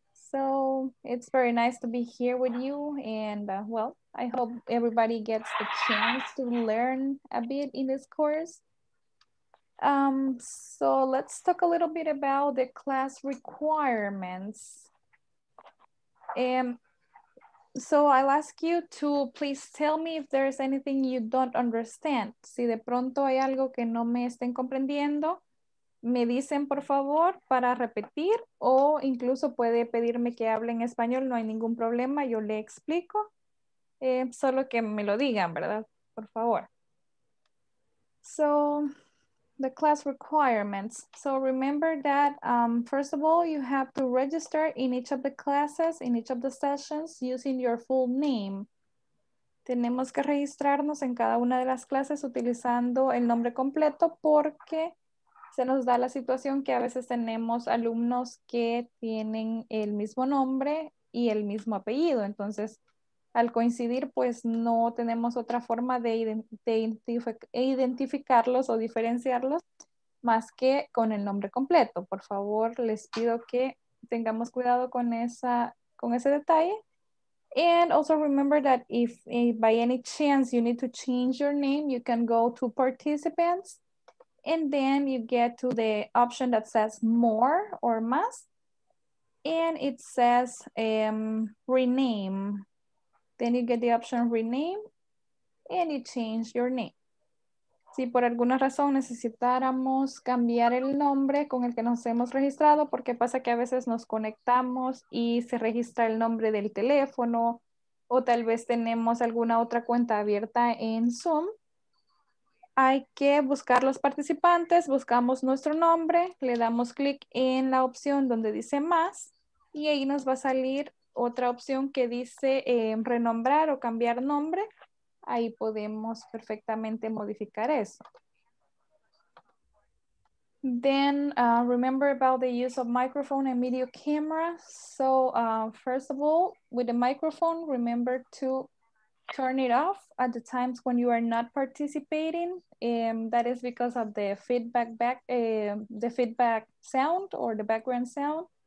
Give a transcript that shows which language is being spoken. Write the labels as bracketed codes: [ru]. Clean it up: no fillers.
[en] So it's very nice to be here with you. And well, I hope everybody gets the chance to learn a bit in this course. So let's talk a little bit about the class requirements. So I'll ask you to please tell me if there's anything you don't understand. [es] Si de pronto hay algo que no me estén comprendiendo, me dicen por favor para repetir, o incluso puede pedirme que hable en español, no hay ningún problema, yo le explico. Solo que me lo digan, ¿verdad? Por favor. [en] So the class requirements. So remember that first of all, you have to register in each of the classes, in each of the sessions using your full name. [es] Tenemos que registrarnos en cada una de las clases utilizando el nombre completo porque se nos da la situación que a veces tenemos alumnos que tienen el mismo nombre y el mismo apellido. Entonces, al coincidir, pues no tenemos otra forma de identificarlos o diferenciarlos más que con el nombre completo. Por favor, les pido que tengamos cuidado con ese detalle. [en] And also remember that if by any chance you need to change your name, you can go to participants and then you get to the option that says more or más. And it says rename. Then you get the option rename and you change your name. [es] Si por alguna razón necesitáramos cambiar el nombre con el que nos hemos registrado, porque pasa que a veces nos conectamos y se registra el nombre del teléfono o tal vez tenemos alguna otra cuenta abierta en Zoom, hay que buscar los participantes, buscamos nuestro nombre, le damos clic en la opción donde dice más y ahí nos va a salir otra opción que dice renombrar o cambiar nombre, ahí podemos perfectamente modificar eso. [en] Then remember about the use of microphone and video camera. So first of all, with the microphone, remember to turn it off at the times when you are not participating. That is because of the feedback sound or the background sound.